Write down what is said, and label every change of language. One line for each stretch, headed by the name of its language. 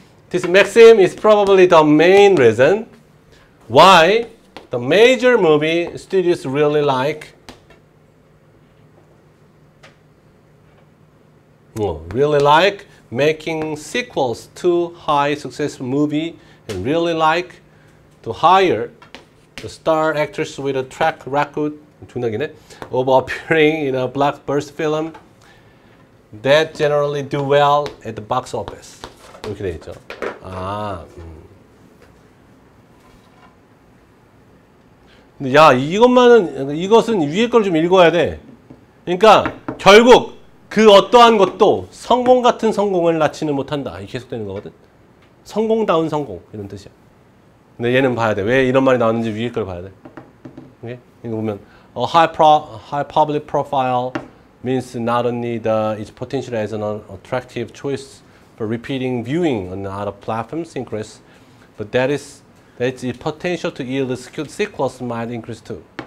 English: This maxim is probably the main reason why the major movie studios really like, really like making sequels to high successful movie and really like to hire the star actress with a track record.
Korean: 존나기네.
English: Of appearing in a blockbuster film that generally do well at the box office.
Korean: 이렇게 돼 있죠. 아, 근데 야 이것만은 이것은 위에 걸 좀 읽어야 돼. 그러니까 결국 그 어떠한 것도 성공 같은 성공을 낳지는 못한다. 이 계속되는 거거든. 성공다운 성공 이런 뜻이야. 근데 얘는 봐야 돼. 왜 이런 말이 나왔는지 위에 걸 봐야 돼. 이게 이거 보면.
English: A high public profile means not only the its potential as an attractive choice for repeating viewing on other platforms increase, but that is that its potential to yield skilled sequels might increase too.